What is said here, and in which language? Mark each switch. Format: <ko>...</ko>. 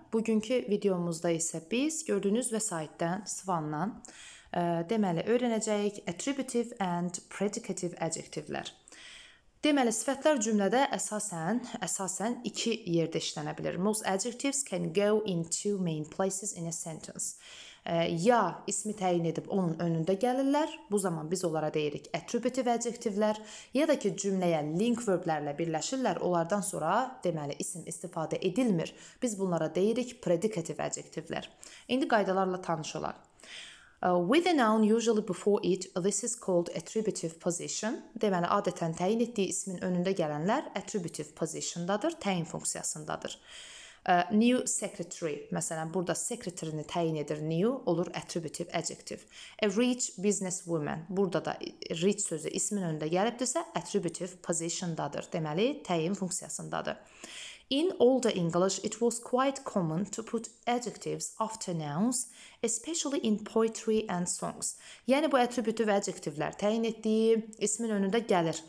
<az>Bugünkü videomuzda isə biz gördüyünüz vəsaitdən, Svanla, deməli, öyrənəcəyik</az> <en>attributive and predicative</en> <az>adjectivlər. Deməli, sifətlər cümlədə əsasən iki yerdə işlənə bilir.</az> <en>Most adjectives can go in two main places in a sentence.</en> <az>Ya ismi təyin edib onun önündə gəlirlər, bu zaman biz onlara deyirik attributive adjectivlər, ya da ki cümləyə link verblərlə birləşirlər, onlardan sonra deməli isim istifadə edilmir. Biz bunlara deyirik predicative adjectivlər. İndi qaydalarla tanış olaq.</az> <en>With a noun usually before it, this is called attributive position.</en> <az>Deməli, adətən təyin etdiyi ismin önündə gələnlər attributive positiondadır, təyin funksiyasındadır.</az> <en>New secretary,</en> <az>məsələn, burada secretary-ni təyin edir new, olur attributive adjective.</az> <en>A rich businesswoman,</en> <az>burada da rich sözü ismin önündə gəlibdirsə, attributive positiondadır, deməli, təyin funksiyasındadır.</az> <en>In older English, it was quite common to put adjectives after nouns, especially in poetry and songs.</en> <az>Yəni, bu attributive adjectivlər təyin etdiyi ismin önündə gəlir.</az>